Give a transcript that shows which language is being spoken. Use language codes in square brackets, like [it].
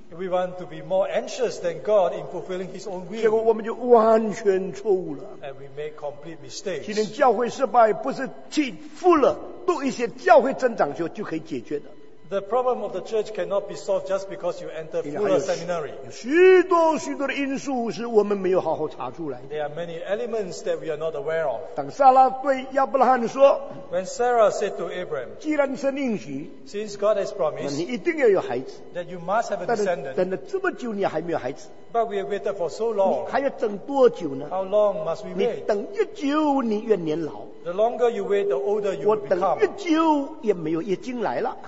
[en] We want to be more anxious than God in fulfilling His own will. [zh] 结果我们就完全错误了。 [en] And we make complete mistakes. [zh] 今天教会失败不是去复了读一些教会增长学就可以解决的。 [en] The problem of the church cannot be solved just because you enter Fuller Seminary. [zh] 有许多许多的因素是我们没有好好查出来。 [en] There are many elements that we are not aware of. [zh] 当撒拉对亚伯拉罕说, [en] When Sarah said to Abraham, [zh] 既然神应许, [en] Since God has promised, [zh] 你一定要有孩子, [en] that you must have a descendant. [zh] 但是等了这么久你还没有孩子, [en] But we have waited for so long. [zh] 你还要等多久呢? [en] How long must we wait? [zh] 你等越久你越年老。 [en] The longer you wait, the older you will become. [zh] 我等越久也没有月经来了。